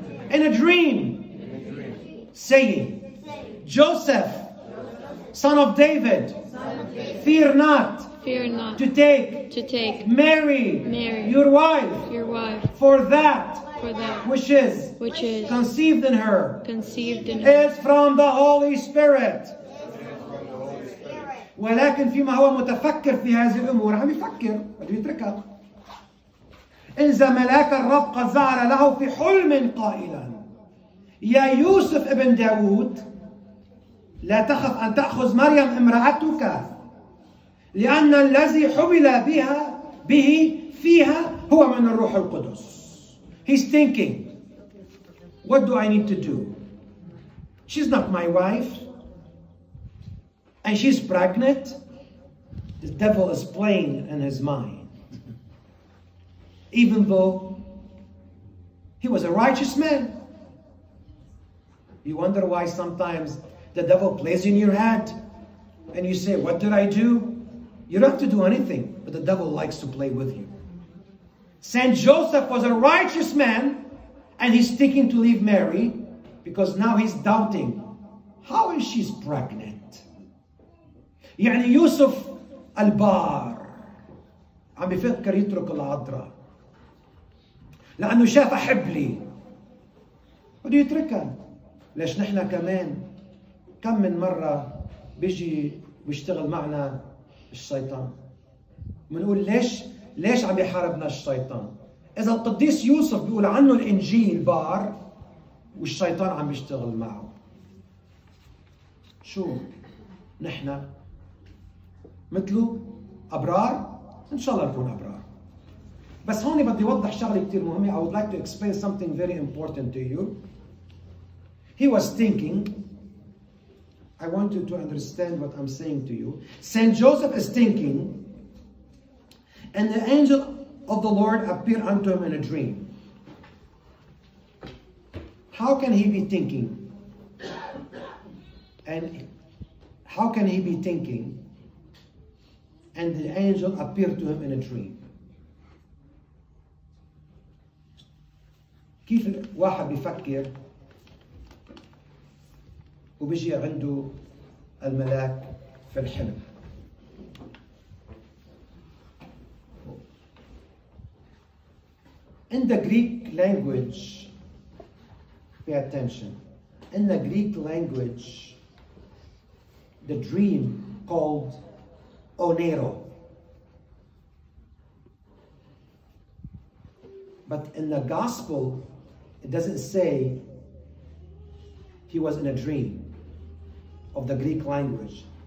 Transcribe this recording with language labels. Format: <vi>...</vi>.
<en>in a dream, saying, Joseph, son of David, fear not. Fear not. To take Mary, your wife, for that which is conceived in her, is from the Holy Spirit.</en> <ar>ولكن فيما هو متفكر في هذه الأمور عم يفكر بده يتركها. إذا ملاك الرب قد ظهر له في حلم قائلا يا يوسف ابن داود لا تخف أن تأخذ مريم امرأتك لأن الذي حمل بها به فيها هو من الروح القدس.</ar> <en>He's thinking, what do I need to do? She's not my wife. And she's pregnant. The devil is playing in his mind. Even though he was a righteous man. You wonder why sometimes the devil plays in your head and you say, what did I do? You don't have to do anything, but the devil likes to play with you. Saint Joseph was a righteous man, and he's thinking to leave Mary because now he's doubting. How is she pregnant?</en> <ar>يعني يوسف البار عم بفكر يترك العذراء لأنه شاف حبلي بده يتركها. ليش نحن كمان كم من مرة بيجي ويشتغل معنا الشيطان؟ منقول ليش عم يحاربنا الشيطان؟ إذا القديس يوسف بيقول عنه الإنجيل بار والشيطان عم يشتغل معه، شو نحن مثله أبرار؟ إن شاء الله نكون أبرار. بس هون بدي أوضح شغلة كتير مهمة.</ar> <en>I would like to explain something very important to you. He was thinking. I want you to understand what I'm saying to you. Saint Joseph is thinking, and the angel of the Lord appeared unto him in a dream. How can he be thinking? And how can he be thinking? And the angel appeared to him in a dream.</en> <ar>كيف واحد بيفكر وبيجي عنده الملاك في الحلم؟</ar> <en>In the Greek language, pay attention. In the Greek language, the dream called onero. But in the gospel, it doesn't say he was in a dream of the Greek language.</en>